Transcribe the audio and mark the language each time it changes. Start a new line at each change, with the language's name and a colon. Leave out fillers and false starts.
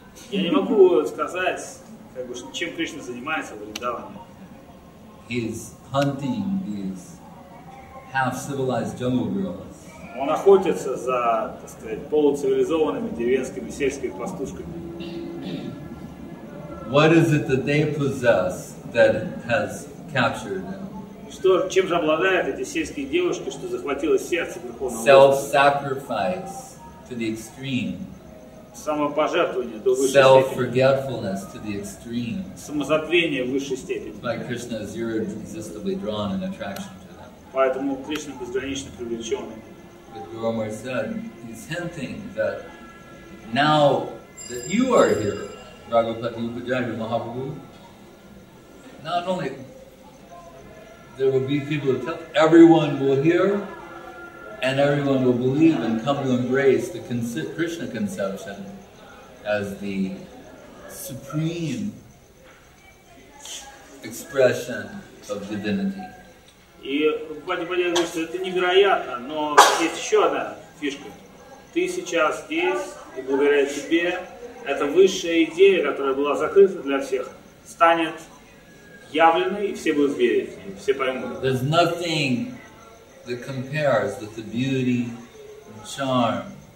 Russian: Я не могу сказать, как бы, чем Кришна занимается в Вриндаване.
English: He's hunting these half-civilized jungle girls.
Russian: Он охотится за, так сказать, полуцивилизованными деревенскими сельскими пастушками.
English: What is it that they possess that has captured them?
Russian: Что, чем же обладают эти сельские девушки, что захватило сердце Верховного Господа?
English: Self-sacrifice to the extreme.
Russian: Самопожертвование до высшей степени.
English: Self-forgetfulness to the extreme.
Russian: Самозабвение в высшей степени.
English: By Krishna is irresistibly drawn in attraction to them.
Russian: Поэтому Кришна безгранично привлечен.
English: But Guru Amar said, he's hinting that now that you are here, Raghupati Upadhyaya Mahaprabhu, not only there will be people to tell, everyone will hear, and everyone will believe and come to embrace the Krishna conception as the supreme expression of divinity.
Russian: И Бхагавати Падья говорит, что это невероятно, но есть еще одна фишка. Ты сейчас здесь, и благодаря тебе эта высшая идея, которая была закрыта для всех, станет явленной, и все будут верить, и все поймут.
English: There's nothing that compares with the beauty and charm